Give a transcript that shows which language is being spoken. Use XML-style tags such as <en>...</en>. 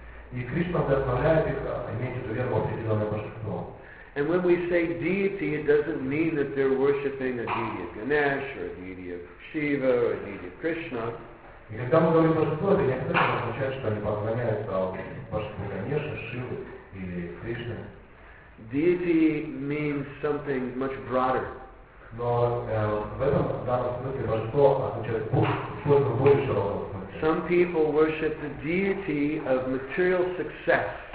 <ru>И Кришна вдохновляет их иметь эту веру в определенное божество.</ru> <en>And when we say deity, it doesn't mean that they're worshipping a deity of Ganesh, or a deity of Shiva, or a deity of Krishna.</en> <ru>И когда мы говорим божество, это не обязательно означает, что они поклоняются божеству Ганеша, Шиву или Кришне.</ru> <en>Deity means something much broader.</en> <ru>Но в этом данном смысле божество означает что-то более широкое.</ru> <en>Some people worship the deity of material success.</en>